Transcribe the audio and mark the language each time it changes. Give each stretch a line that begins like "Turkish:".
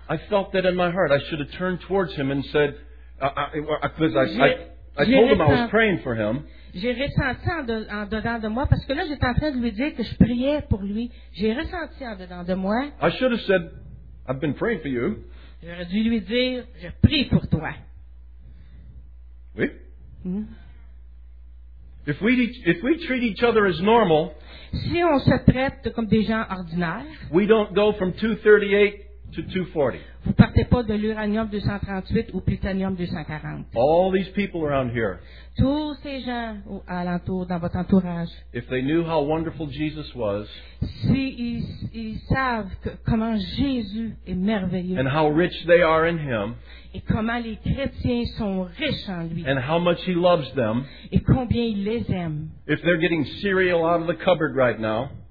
English: I felt that in my heart I should have turned towards him and said, because I told him I was praying for him.
French: J'ai ressenti en dedans de moi, parce que là j'étais en train de lui dire que je priais pour lui. J'ai ressenti en dedans de moi.
English: I should have said, I've been praying for you.
French: J'aurais dû lui dire, je prie pour toi.
English: Oui. If we treat each other as normal,
French: si on se traite comme des gens ordinaires,
English: we don't go from 238 to 240.
French: Vous ne partez pas de l'uranium 238 au plutonium 240.
English: All these people around here,
French: tous ces gens alentour dans votre entourage,
English: if they knew how wonderful Jesus was,
French: si ils savent comment Jésus est merveilleux,
English: and how rich they are in him,
French: et comment les chrétiens sont riches en lui,
English: and how much he loves them,
French: et combien il les aime,
English: if they're getting cereal out of the cupboard right now,